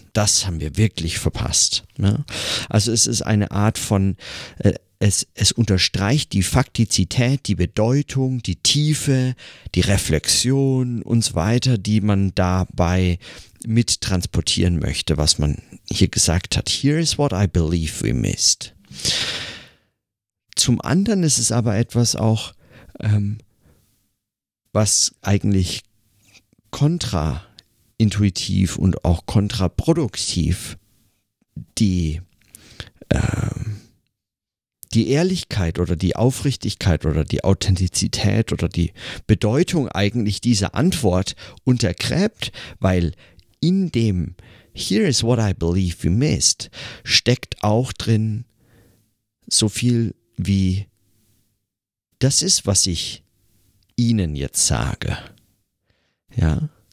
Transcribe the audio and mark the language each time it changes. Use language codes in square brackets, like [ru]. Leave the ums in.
[de] Das haben wir wirklich verpasst. Ne? Also es ist eine Art von, äh, es, es unterstreicht die Faktizität, die Bedeutung, die Tiefe, die Reflexion und so weiter, die man dabei mit transportieren möchte, was man hier gesagt hat. [en] Here is what I believe we missed. [de] Zum anderen ist es aber etwas auch, ähm, was eigentlich kontraintuitiv und auch kontraproduktiv die, ähm, die Ehrlichkeit oder die Aufrichtigkeit oder die Authentizität oder die Bedeutung eigentlich dieser Antwort untergräbt, weil in dem [en] Here is what I believe we missed [de] steckt auch drin so viel wie das ist, was ich Ihnen jetzt sage. Ja.